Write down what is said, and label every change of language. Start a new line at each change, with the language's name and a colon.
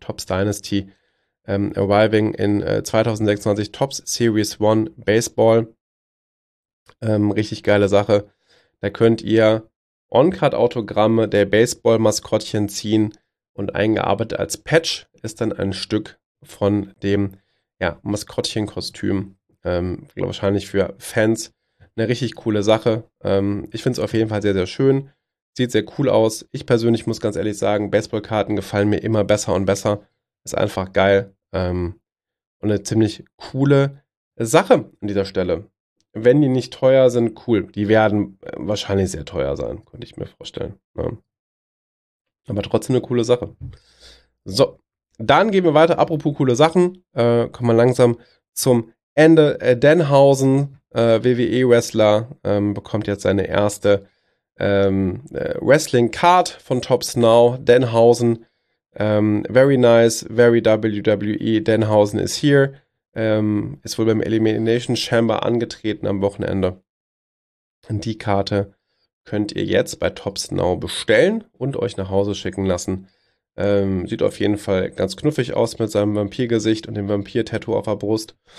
English: Topps Dynasty arriving in 2026 Topps Series 1 Baseball.
German: Richtig geile Sache. Da könnt ihr On-Card-Autogramme der Baseball-Maskottchen ziehen und eingearbeitet als Patch ist dann ein Stück von dem ja, Maskottchen-Kostüm. Wahrscheinlich für Fans. Eine richtig coole Sache. Ich finde es auf jeden Fall sehr, sehr schön. Sieht sehr cool aus. Ich persönlich muss ganz ehrlich sagen, Baseballkarten gefallen mir immer besser und besser. Ist einfach geil. Und eine ziemlich coole Sache an dieser Stelle. Wenn die nicht teuer sind, cool. Die werden wahrscheinlich sehr teuer sein, könnte ich mir vorstellen. Ja. Aber trotzdem eine coole Sache. So, dann gehen wir weiter. Apropos coole Sachen. Kommen wir langsam zum Ende. Danhausen. WWE-Wrestler bekommt jetzt seine erste Wrestling-Card von Topps Now.
English: Danhausen, very nice, very WWE.
German: Danhausen ist hier. Ist wohl beim Elimination Chamber angetreten am Wochenende. Und die Karte könnt ihr jetzt bei Topps Now bestellen und euch nach Hause schicken lassen. Sieht auf jeden Fall ganz knuffig aus mit seinem Vampirgesicht und dem Vampir-Tattoo auf der Brust.